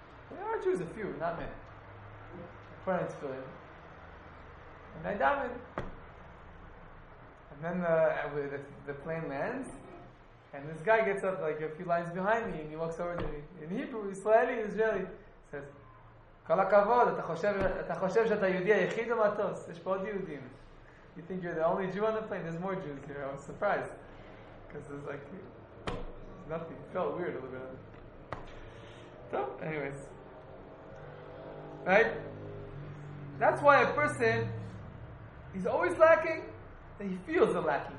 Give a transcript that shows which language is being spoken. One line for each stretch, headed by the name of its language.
English: There are Jews, a few, not many. I put on tefillin. And I daven. And then the plane lands. And this guy gets up like a few lines behind me. And he walks over to me. In Hebrew, Israeli, Israeli.
Hebrew: Says, כל הכבוד, אתה חושב שאתה יהודי היחיד במטוס? יש פה עוד יהודים.
English: You think you're the only Jew on the plane? There's more Jews here. I was surprised. Because there's like, there's nothing. It felt weird a little bit. So, anyways. Right? That's why a person is always lacking. He feels the lacking.